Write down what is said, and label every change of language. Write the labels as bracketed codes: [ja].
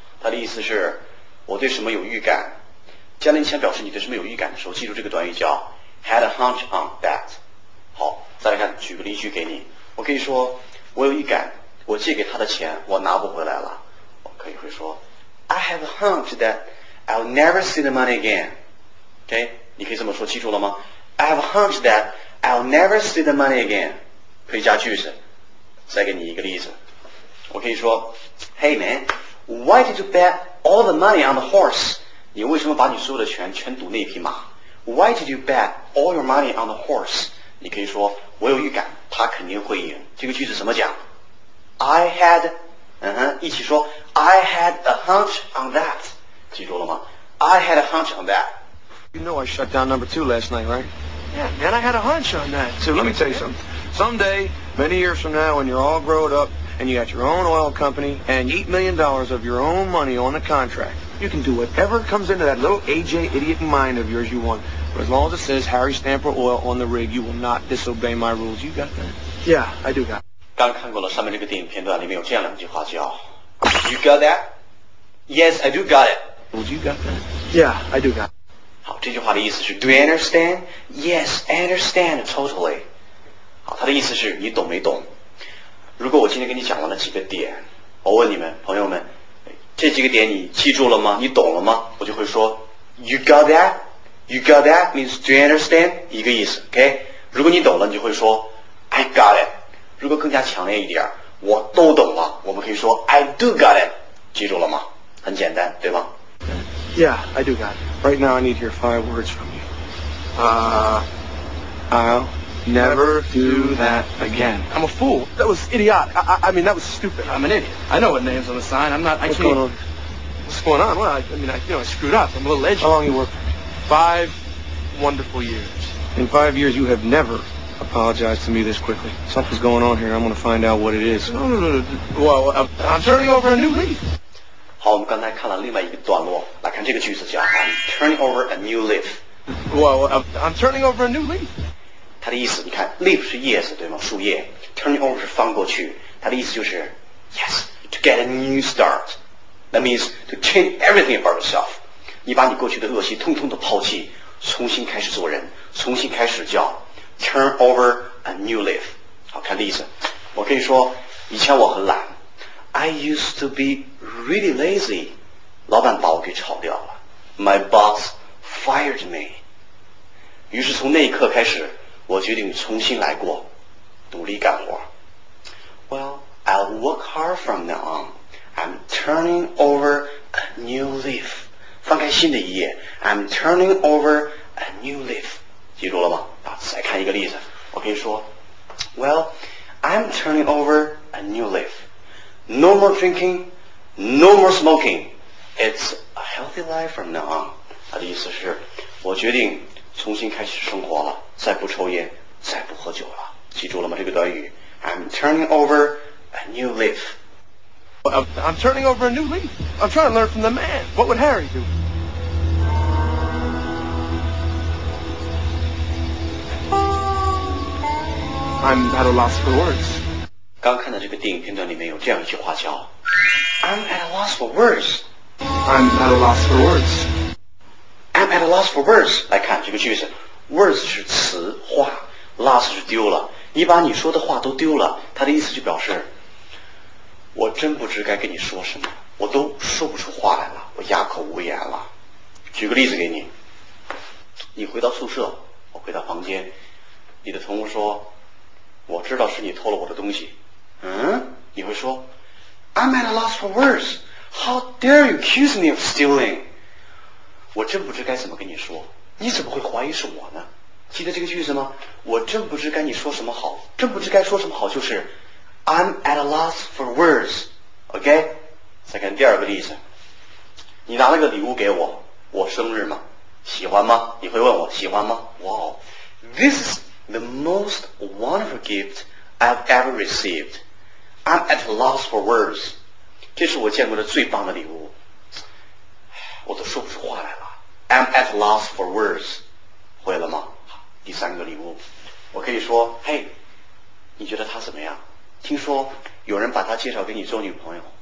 [zh] 他的意思是，我对什么有预感。嘉玲前表示你对什么有预感的时候，记住这个短语叫 [en] had a hunch on that。 [zh] 好，再来看，举个例句给你。我可以说，我有预感，我借给他的钱我拿不回来了。我可以会说 [en] ，I have a hunch that I'll never see the money again。 OK， [zh] 你可以这么说，记住了吗 [en] ？I have a hunch that I'll never see the money again。 [zh] 可以加句子。再给你一个例子，我可以说 [en] ，Hey man， why did you bet all the money on the horse？ [zh] 你为什么把你所有的钱全赌那匹马 [en] ？Why did you bet all your money on the horse？ [zh] 你可以说我有预感，他肯定会赢。这个句子怎么讲 [en] ？I had， [zh] 一起说 [en] ，I had a hunch on that。记住了吗 ？I had a hunch on that。 You know I shut down number two last night, right? Yeah, man, I had a hunch on that. So let me tell you something. Someday, many years from now, when you're all grown up and you got your own oil company and you eat $1 million of your own money on the contract. You can do whatever comes into that little AJ idiot mind of yours you want. But as long as it says Harry Stamper Oil on the rig, you will not disobey my rules. You got that? Yeah, I do got. [zh] 刚看过了上面这个电影片段，里面有这样两句话叫 [en] You got that? Yes, I do got it. Rules, you got that? Yeah, I do got. [zh] 好，这句话的意思是 [en] Do you understand? Yes, I understand totally. [zh] 好，它的意思是你懂没懂？如果我今天跟你讲完了几个点，我问你们，朋友们。这几个点你记住了吗？你懂了吗？我就会说 [en] You got that? You got that means do you understand? [zh] 一个意思 OK? 如果你懂了你就会说 [en] I got it [zh] 如果更加强烈一点我都懂了我们可以说 [en] I do got it [zh] 记住了吗？很简单对吧 [en] Yeah, I do got it Right now I need to hear 5 words from you I'll never do that again. I'm a fool. That was idiotic. I mean, that was stupid. I'm an idiot. I know what name's on the sign. What's going on? Well, I screwed up. I'm a little edgy. How long you worked for me? 5 wonderful years. In 5 years, you have never apologized to me this quickly. Something's going on here. I'm going to find out what it is. I'm turning over a new leaf. [zh] 好，我们刚才看了另外一个段落，来看这个句子叫 [en] I'm turning over a new leaf. Well, I'm turning over a new leaf. [zh] 他的意思，你看 ，leaf 是叶子，对吗？树叶 ， [en] turning over [zh] 是翻过去。他的意思就是 [en] ，yes， to get a new start， that means to change everything about yourself。 [zh] 你把你过去的恶习通通的抛弃，重新开始做人，重新开始叫 [en] turn over a new leaf。 [zh] 好，看例子，我可以说，以前我很懒 ， [en] I used to be really lazy。 [zh] 老板把我给炒掉了 ， [en] my boss fired me。 [zh] 于是从那一刻开始。我决定重新来过，努力干活。 [en] Well, I'll work hard from now on. I'm turning over a new leaf. [zh] 翻开新的一页。 [en] I'm turning over a new leaf. [zh] 记住了吗？啊，再看一个例子。我可以说 [en] ，Well, I'm turning over a new leaf. No more drinking, no more smoking. It's a healthy life from now on. [zh] 它的意思是，我决定。重新开始生活了，再不抽烟，再不喝酒了。记住了吗？这个短语 [en] ，I'm turning over a new leaf. I'm turning over a new leaf. I'm trying to learn from the man. What would Harry do? I'm at a loss for words. [zh] 刚看的这个电影片段里面有这样一句话叫 [en] I'm at a loss for words. I'm at a loss for words. I'm at a loss for words. [zh] 来看这个句子， words 是词话， loss 是丢了，你把你说的话都丢了，它的意思就表示我真不知该跟你说什么，我都说不出话来了，我哑口无言了。举个例子给你，你回到宿舍，我回到房间，你的同屋说，我知道是你偷了我的东西。嗯，你会说 [en] I'm at a loss for words. How dare you accuse me of stealing? [zh] 我真不知该怎么跟你说，你怎么会怀疑是我呢？记得这个句子吗？我真不知该你说什么好，真不知该说什么好，就是 [en] I'm at a loss for words. OK? [zh] 再看第二个例子，你拿了个礼物给我，我生日吗？喜欢吗？你会问我喜欢吗？ [en] Wow, this is the most wonderful gift I've ever received. I'm at a loss for words. [zh] 这是我见过的最棒的礼物，我都说不出话来了。 [en] I'm at a loss for words. [zh] 会了吗？第三个礼物，我可以说 Hey, 你觉得他怎么样？听说有人把他介绍给你做女朋友。